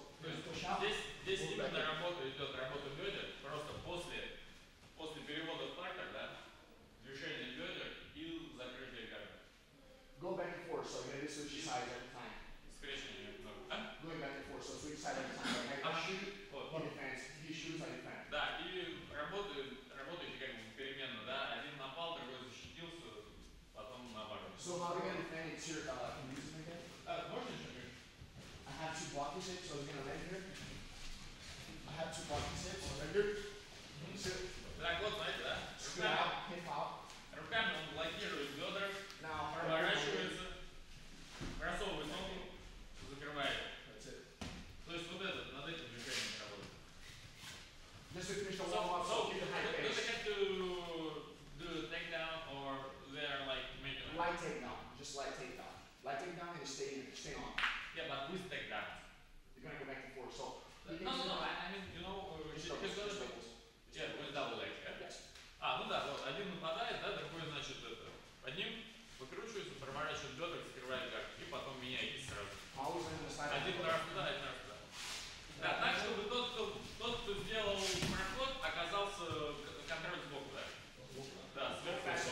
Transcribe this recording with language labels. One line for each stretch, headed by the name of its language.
Russian: То есть
English: push out,
Russian: здесь именно работа идет, работа бедер, просто после перевода фактор, да, движение бедер и закрытие гарды.
English: Go back and forth, so you're gonna switch sides every time.
Russian: Скрещение.
English: Going back and forth, so switch sides every time. Like, I shoot on defense, he shoots on defense.
Russian: Да, и работаете как бы переменно, да, один напал, другой защитился, потом наоборот.
English: So how do you defend it? Sure, can you use it again?
Russian: Можно еще.
English: I have two blocking hips, so I'm gonna land here. I have two blocking hips, so land here. Mm-hmm. So,
Russian: так вот, знаете, да?
English: Scoot out, hip out.
Russian: Руками он блокирует бедра,
English: now,
Russian: поворачивается, бросовывает ногу, закрывает.
English: That's it.
Russian: То есть вот этот, над этим движением работает.
English: Just to finish the warm-up, so keep the high pace. Does it have to do a takedown, or they are like making it? Light takedown, just light takedown. Light takedown and stay on. Yeah, but with takedown. You're gonna go back and forth, so. No, I mean, you know, just go to the yeah, with double legs, yeah? Yes.
Russian: Ну да, вот один нападает, да, другой, значит, это, под ним выкручивается, проворачивает бедра, закрывает гард, и потом меняет сразу. Один раз туда, один раз туда. Да, так, чтобы тот, кто сделал проход, оказался контроль сбоку, да. Да, сверху.